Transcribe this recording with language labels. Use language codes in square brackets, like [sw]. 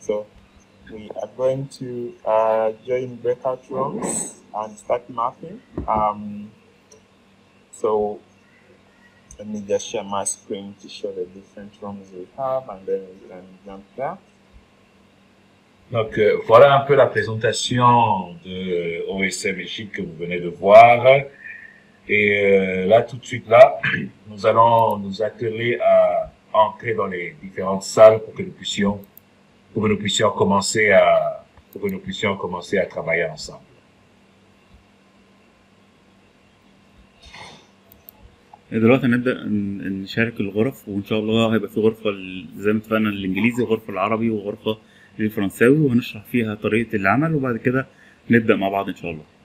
[en] So we are going to join breakout rooms and start mapping. So let me just share my screen to show the different rooms we have, and then we can jump there. [fr] Donc voilà un peu la présentation de OSM Egypte que vous venez de voir. Et là tout de suite là, nous allons nous atteler à entrer dans les différentes salles pour que nous puissions commencer à travailler ensemble. [ar] دلوقتي نبدأ نشارك الغرف، وإن شاء الله هيبقى في غرفة زي ما اتفقنا للإنجليزي، وغرفة العربي، وغرفة للفرنساوي، وهنشرح فيها طريقة العمل، وبعد كده نبدأ مع بعض إن شاء الله.